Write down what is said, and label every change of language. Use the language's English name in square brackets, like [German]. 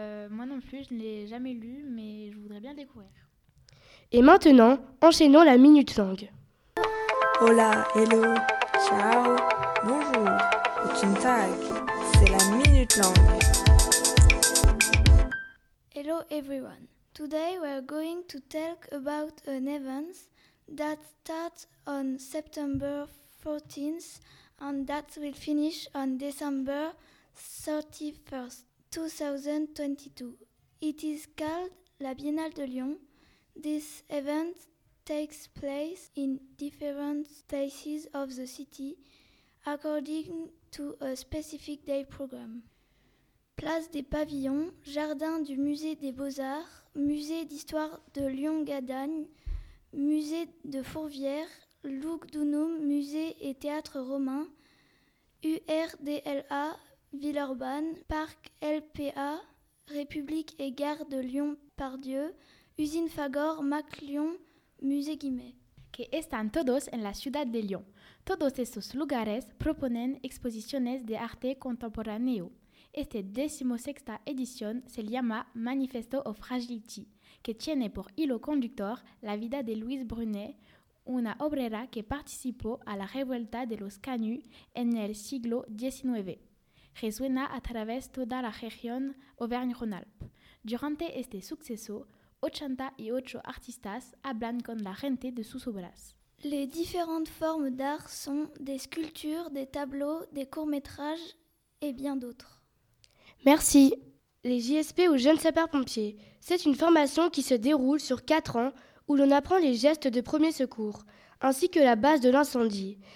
[French] Moi non plus, je ne l'ai jamais lu, mais je voudrais bien le découvrir. Et maintenant, enchaînons la minute langue. Hola, hello, ciao, bonjour, guten Tag, c'est la minute langue. [English] Hello everyone. Today we are going to talk about an event that starts on September 14th and that will finish on December 31st, 2022. It is called La Biennale de Lyon. This event takes place in different spaces of the city according to a specific day program. [French] Place des Pavillons, Jardin du Musée des Beaux-Arts, Musée d'Histoire de Lyon-Gadagne, Musée de Fourvière, Lugdunum, Musée et Théâtre Romain, URDLA, Villeurbanne, Parc LPA, République et Gare de Lyon-Pardieu, Usine Fagor, Mac Lyon, Musée Guimet. [Spanish] Que están todos en la ciudad de Lyon. Todos estos lugares proponen exposiciones de arte contemporáneo. Esta 16ª edición se llama Manifesto of Fragility, que tiene por hilo conductor la vida de Luis Brunet, una obrera que participó a la Revuelta de los Canuts en el siglo XIX. Resuena a través toda la región Auvergne-Rhône-Alpes. Durante este suceso, 88 artistas hablan con la gente de sus obras. [French] Les différentes formes d'art sont des sculptures, des tableaux, des courts-métrages et bien d'autres. Merci. Les JSP ou jeunes sapeurs-pompiers, c'est une formation qui se déroule sur 4 ans où l'on apprend les gestes de premier secours, ainsi que la base de l'incendie.